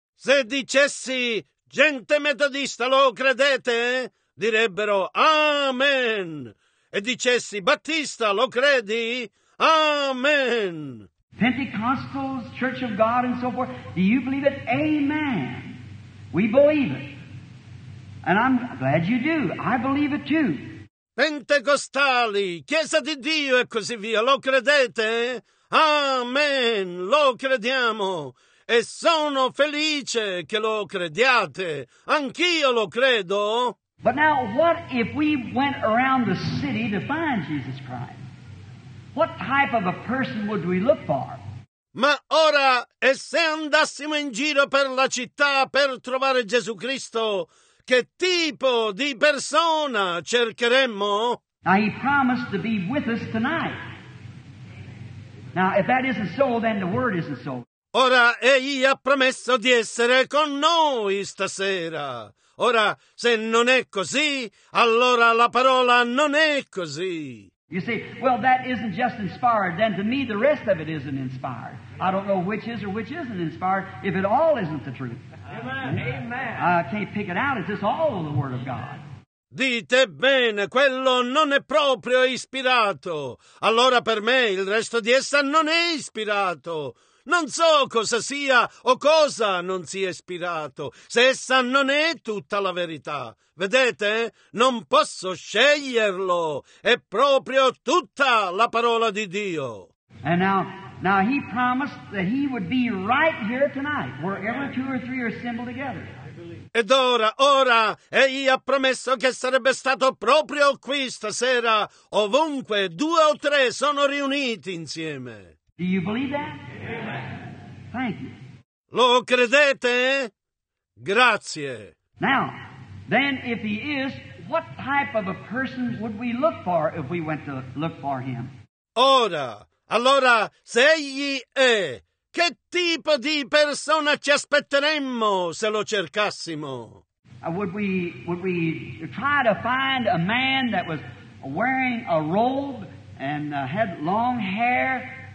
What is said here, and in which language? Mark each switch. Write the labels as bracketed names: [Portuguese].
[Italian] Se dicessi gente metodista, lo credete? Direbbero Amen. E dicessi Battista, lo credi? Amen. [English] Pentecostals, Church of God and so forth, do you believe it? Amen. We believe it. And I'm glad you do. I believe it too. [Italian] Pentecostali, Chiesa di Dio e così via, lo credete? Amen. Lo crediamo. E sono felice che lo crediate. Anch'io lo credo. [English] But now, what if we went around the city to find Jesus Christ? What type of a person would we look for? [Italian] Ma ora, e se andassimo in giro per la città per trovare Gesù Cristo, che tipo di persona cercheremmo? [English] Now, he promised to be with us tonight. Now, if that isn't so, then the word isn't so. [Italian] Ora, egli ha promesso di essere con noi stasera. Ora, se non è così, allora la parola non è così. [English] You say, well, that isn't just inspired. Then to me, the rest of it isn't inspired. I don't know which is or which isn't inspired if it all isn't the truth. Amen. I can't pick it out. It's just all the Word of God. [Italian] Dite bene, quello non è proprio ispirato. Allora per me il resto di essa non è ispirato. Non so cosa sia o cosa non sia ispirato, se essa non è tutta la verità. Vedete? Non posso sceglierlo. È proprio tutta la parola di Dio. [English] And now he promised that he would be right here tonight, wherever two or three are assembled together. [Italian] Ed ora, egli ha promesso che sarebbe stato proprio qui stasera, ovunque due o tre sono riuniti insieme. [English] Do you believe that? Amen. Thank you. [Italian] Lo credete? Grazie. [English] Now, then if he is, what type of a person would we look for if we went to look for him? [Italian] Ora, allora, se egli è, che tipo di persona ci aspetteremmo se lo cercassimo? [English] Would we try to find a man that was wearing a robe and had long hair?